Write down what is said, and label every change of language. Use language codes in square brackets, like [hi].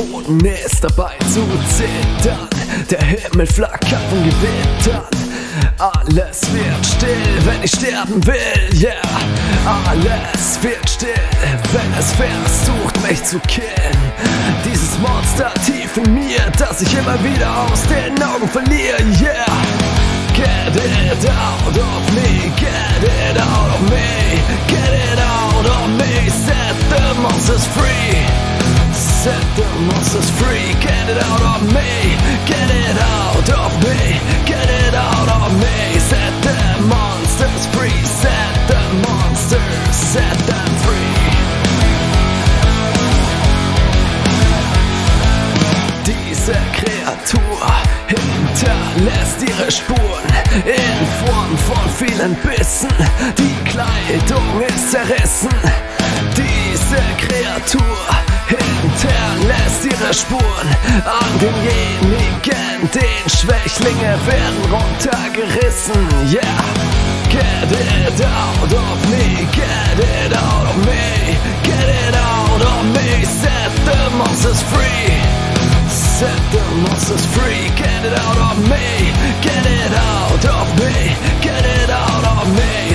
[de] Helden ist dabei zu zittern. Der Himmel flackert von Gewittern. Alles wird still, wenn ich sterben will, yeah. Alles wird still, wenn es versucht, mich zu killen. Dieses Monster tief in mir, das ich immer wieder aus den Augen verliere, yeah. [en] Get it out of me, get it out of me. Get it out of me, set the monsters free. Set the monsters free, get it out of me. Get it out of me, get it out of me. Set the monsters free, set the monsters, set them free. [de] Diese Kreatur hinterlässt ihre Spuren in Form von vielen Bissen. Die Kleidung ist zerrissen. Diese Kreatur hinterlässt ihre Spuren an denjenigen, den Schwächlinge werden runtergerissen, yeah. [en] Get it out of me, get it out of me. Get it out of me, set the monsters free. Set the monsters free, get it out of me. Get it out of me, get it out of me.